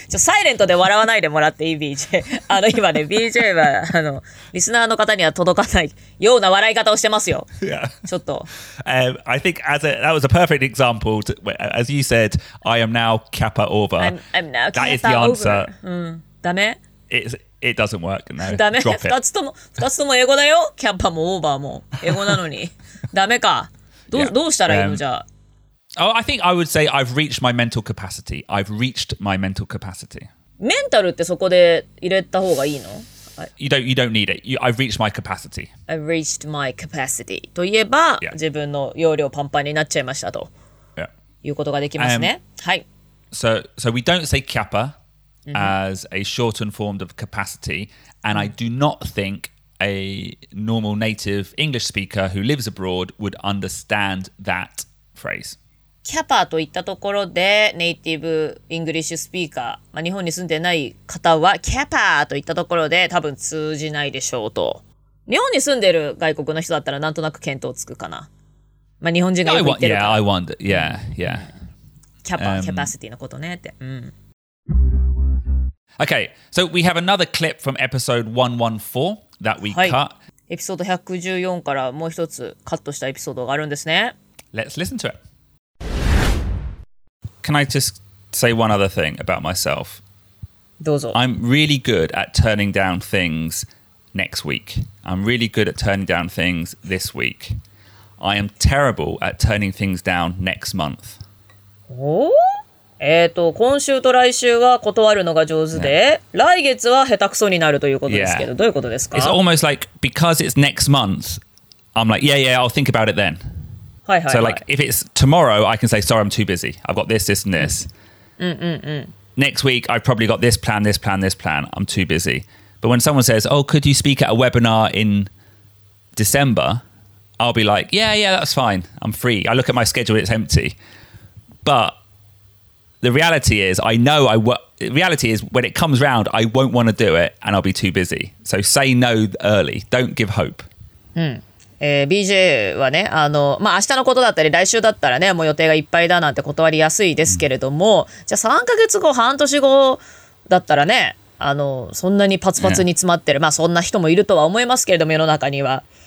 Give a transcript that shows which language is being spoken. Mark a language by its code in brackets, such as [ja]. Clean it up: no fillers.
[ja] サイレントで笑わないでもらっていい BJ。あの今ね、BJ はあのリスナーの方には届かないような笑い方をしてますよ。 [en] Yeah. [ja] ちょっと。 [en] I think that was a perfect example. As you said, I am now kappa over. I'm now kappa over. That is the answer. [ja] ダメ? [en] It doesn't work. No. [ja] ダメ?2つとも英語だよ。キャッパもオーバーも英語なのに。ダメか。どうしたらいいのじゃあ。 [en] Oh, I think I would say I've reached my mental capacity. I've reached my mental capacity. [ja] Mental ってそこで入れた方がいいの? [en] You don't need it. I've reached my capacity. I've reached my capacity. [ja] といえば、 [en] yeah. [ja] 自分の容量パンパンになっちゃいましたと、 [en] yeah. [ja] いうことができますね。はい。 [en] So we don't say kappa as a shortened form of capacity, and I do not think a normal native English speaker who lives abroad would understand that phrase. [ja] キャパといったところで、ネイティブイングリッシュスピーカー、まあ、日本に住んでない方はキャパといったところで多分通じないでしょうと。日本に住んでる外国の人だったらなんとなく見当つくかな。まあ、日本人がよく言ってるから。 [en] Yeah, I wonder. Yeah, yeah. [ja] キャパ、キャパシティのことねって。うん。 [en] Okay, so we have another clip from episode 114 that we cut. [ja] はい。エピソード114からもう一つカットしたエピソードがあるんですね。 [en] Let's listen to it. Can I just say one other thing about myself? [ja] どうぞ。 [en] I'm really good at turning down things next week. I'm really good at turning down things this week. I am terrible at turning things down next month. [ja] お?今週と来週は断るのが上手で、 [en] yeah. [ja] 来月は下手くそになるということですけど、 [en] yeah. [ja] どういうことですか? [en] It's almost like because it's next month, I'm like, yeah, yeah, I'll think about it then. [ja] はいはいはい。 [en] So like if it's tomorrow, I can say, sorry, I'm too busy. I've got this, this, and this. Next week, I've probably got this plan, this plan, this plan. I'm too busy. But when someone says, oh, could you speak at a webinar in December? I'll be like, yeah, yeah, that's fine. I'm free. I look at my schedule, it's empty. But the reality is, I know I the reality is when it comes round, I won't want to do it and I'll be too busy. So say no early. Don't give hope. [ja] BJ はね、まあ、明日のことだったり来週だったらね、もう予定がいっぱいだなんて断りやすいですけれども、じゃあ3ヶ月後、半年後だったらね、そんなにパツパツに詰まってる、まあそんな人もいるとは思いますけれども、世の中には。